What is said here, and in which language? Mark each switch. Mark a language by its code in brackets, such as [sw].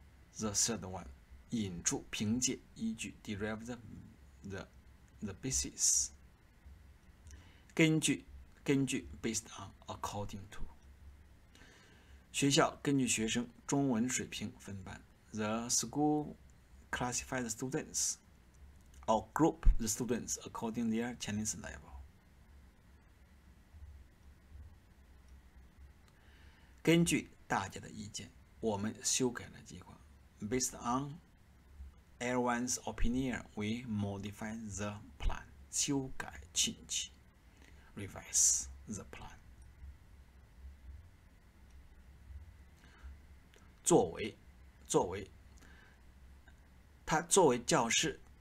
[zh] 这是的one, 引出, 凭借, 依据, [en] derive the basis. 根据, 根据, based on, according to. [zh] 学校根据学生中文水平分班. [en] The school classifies the students or group the students according their Chinese level. [zh] 根据大家的意见, 我们修改了计划. [en] Based on everyone's opinion, we modify the plan. 修改, change, revise the plan. [zh] 作为, 作为, 他作为教师,